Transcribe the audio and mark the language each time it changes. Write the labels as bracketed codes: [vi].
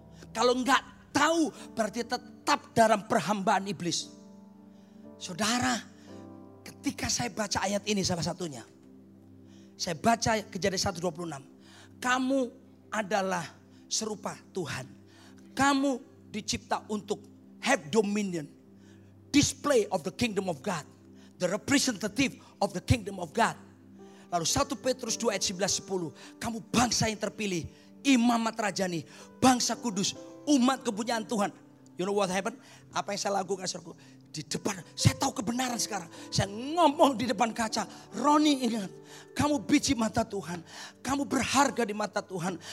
[id] Kalau enggak tahu, berarti tetap dalam perhambaan iblis. Saudara, ketika saya baca ayat ini salah satunya. Saya baca Kejadian 1:26. Kamu adalah serupa Tuhan. Kamu dicipta untuk [en] have dominion. Display of the kingdom of God. The representative of the kingdom of God. [id] Lalu 1 Petrus 2 ayat 11-10. Kamu bangsa yang terpilih. Imamat Rajani. Bangsa kudus. Umat kepunyaan Tuhan. [en] You know what happened? [id] Apa yang saya lakukan? Saudaraku? Di depan. Saya tahu kebenaran sekarang. Saya ngomong di depan kaca. Roni ingat. Kamu biji mata Tuhan. Kamu berharga di mata Tuhan.